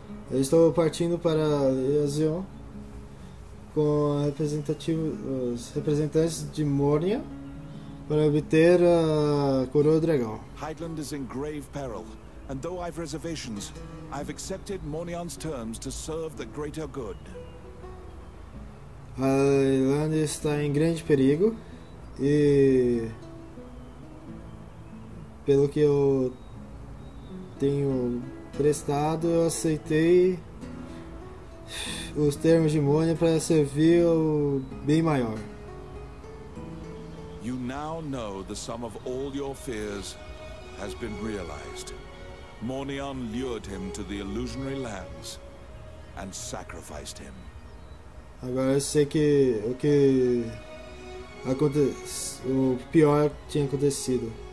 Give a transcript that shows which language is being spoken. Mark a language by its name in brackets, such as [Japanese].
[Portuguese] Eu estou partindo para Leazion com representantes de Mornia para obter a coroa do dragão. [English] Highland is in grave peril, and though I've reservations, I've accepted Mornion's terms to serve the greater good. [Portuguese] Highland está em grande perigo e pelo que eu tenho prestado, eu aceitei os termos de Mônia para servir o bem maior. [English] You now know the sum of all your fears has been realized. Mornion lured him to the illusionary lands and sacrificed him. [Portuguese] Agora eu sei que o que acontece, o pior tinha acontecido.